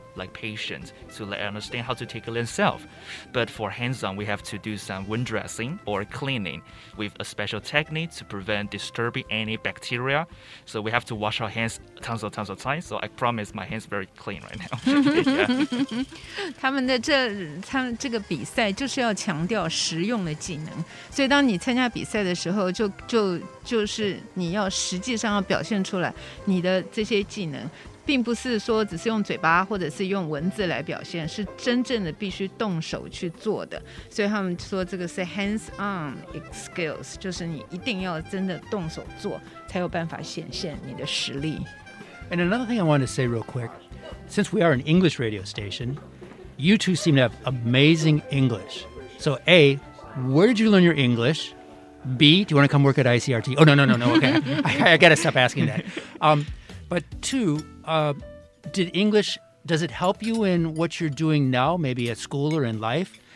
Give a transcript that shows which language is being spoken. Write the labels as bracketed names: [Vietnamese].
[English] Like patients, to understand how to take care of themselves. But for hands-on, we have to do some wound dressing or cleaning with a special technique to prevent disturbing any bacteria. So we have to wash our hands tons and tons of times. So I promise my hands are very clean right now. [Chinese] 他们的这个比赛就是要强调实用的技能。所以当你参加比赛的时候，就是你要实际上要表现出来你的这些技能。并不是说只是用嘴巴或者是用文字来表现，是真正的必须动手去做的。所以他们说这个是 hands-on skills， 就是你一定要真的动手做，才有办法显现你的实力。 [English] And another thing I want to say real quick, since we are an English radio station, you two seem to have amazing English. So A, where did you learn your English? B, do you want to come work at ICRT? Oh, no, okay. I got to stop asking that. But two,did English, does it help you in what you're doing now, maybe at school or in life?